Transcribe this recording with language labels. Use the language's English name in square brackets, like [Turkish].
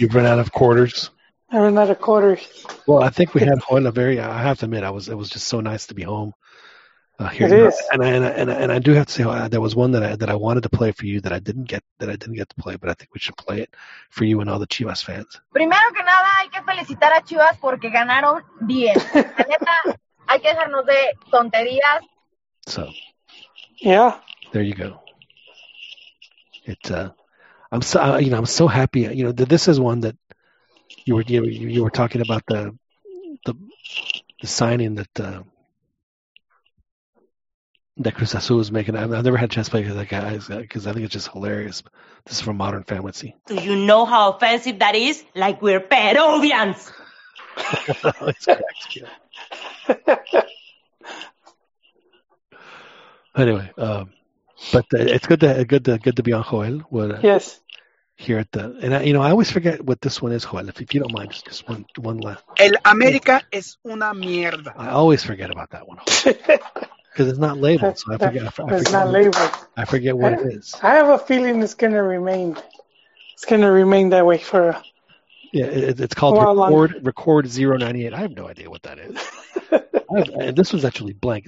[English] You've run out of quarters. I ran out of quarters. Well, I think we had Juana very... I have to admit, it was just so nice to be home. Here it is. And I do have to say, there was one that I wanted to play for you that I didn't get to play, but I think we should play it for you and all the Chivas fans. [Spanish] Primero que nada, hay que felicitar a Chivas porque ganaron bien. Hay que dejarnos de tonterías. [English] So, yeah. There you go. I'm so happy. This is one that you were talking about the signing that. That Cruz Azul was making. I've never had a chance to play with that guy because I think it's just hilarious. This is from Modern Family. Do you know how offensive that is? Like we're Peruvians. It's cracked, yeah. Anyway, it's good to be on Joel. Yes. Here at the I always forget what this one is, Joel. If you don't mind, just one last. [Spanish] El América es una mierda. [English] I always forget about that one. Because it's not labeled, so I forget. I forget what it is. I have a feeling it's going to remain. It's going to remain that way for. It's called record 098. I have no idea what that is. this one's actually blank.